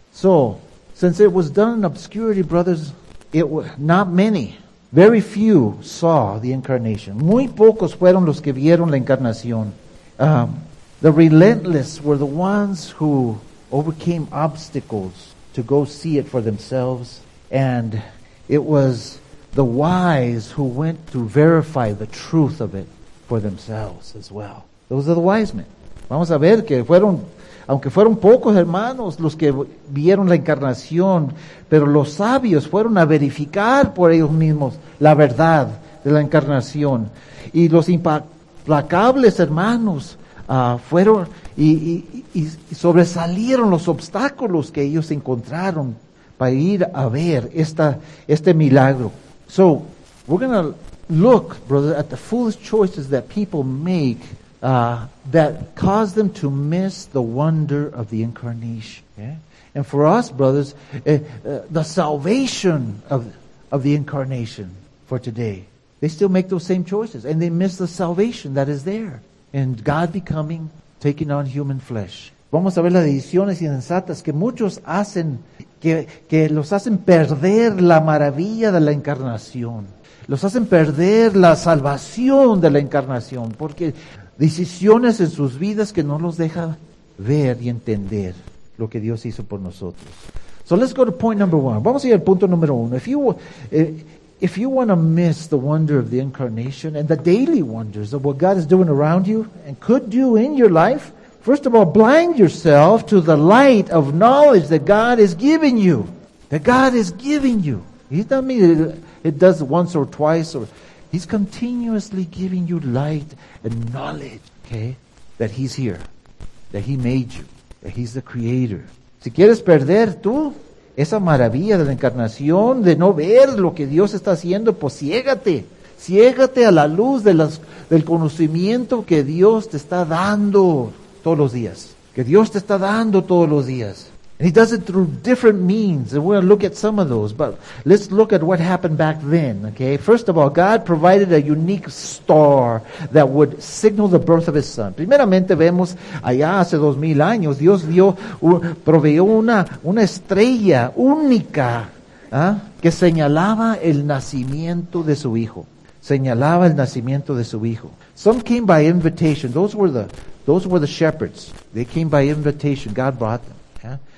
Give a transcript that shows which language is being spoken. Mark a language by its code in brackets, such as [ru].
[en] So, since it was done in obscurity, brothers, very few saw the incarnation. [es] Muy pocos fueron los que vieron la encarnación. [en] The relentless were the ones who overcame obstacles to go see it for themselves. And it was the wise who went to verify the truth of it for themselves as well. Those are the wise men. [es] Vamos a ver que fueron, aunque fueron pocos hermanos los que vieron la encarnación, pero los sabios fueron a verificar por ellos mismos la verdad de la encarnación. Y los implacables hermanos fueron y sobresalieron los obstáculos que ellos encontraron para ir a ver este milagro. [en] So, we're going to look, brother, at the foolish choices that people make that caused them to miss the wonder of the incarnation. Yeah? And for us, brothers, the salvation of the incarnation for today, they still make those same choices, and they miss the salvation that is there in God becoming, taking on human flesh. [es] Vamos a ver las decisiones insensatas que muchos hacen, que los hacen perder la maravilla de la encarnación. Los hacen perder la salvación de la encarnación, porque decisiones en sus vidas que no los deja ver y entender lo que Dios hizo por nosotros. [en] So let's go to point number one. [es] Vamos a ir al punto número uno. [en] If you want to miss the wonder of the incarnation and the daily wonders of what God is doing around you and could do in your life, first of all, blind yourself to the light of knowledge that God is giving you. That God is giving you. He doesn't mean it does once or twice or... He's continuously giving you light and knowledge, okay, that he's here. that He made you, that He's the Creator. [es] Si quieres perder tú esa maravilla de la encarnación, de no ver lo que Dios está haciendo, pues ciégate. Ciégate a la luz de del conocimiento que Dios te está dando todos los días. Que Dios te está dando todos los días. [en] And He does it through different means. And we're going to look at some of those. But let's look at what happened back then. Okay. First of all, God provided a unique star that would signal the birth of His Son. [es] Primeramente vemos allá hace 2,000 años, Dios proveyó una estrella única que señalaba el nacimiento de su Hijo. Señalaba el nacimiento de su Hijo. [en] Some came by invitation. Those were the shepherds. They came by invitation. God brought them. Yeah?